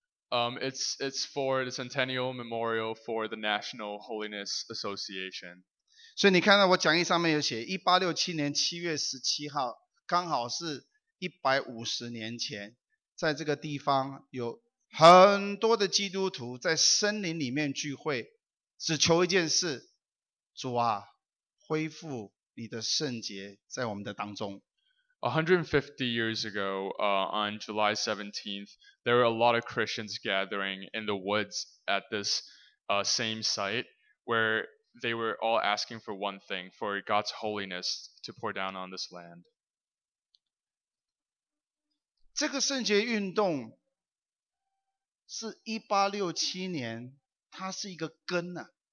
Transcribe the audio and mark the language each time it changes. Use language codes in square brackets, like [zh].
[en] It's for the Centennial Memorial for the National Holiness Association. [zh] 所以你看到我讲义上面有写1867年7月17号，刚好是150年前，在这个地方有很多的基督徒在森林里面聚会，只求一件事，主啊，恢复你的圣洁在我们的当中。 [en] 150 years ago, on July 17th, there were a lot of Christians gathering in the woods at this same site where they were all asking for one thing, for God's holiness to pour down on this land. [zh] 这个圣洁运动是1867年，它是一个根啊。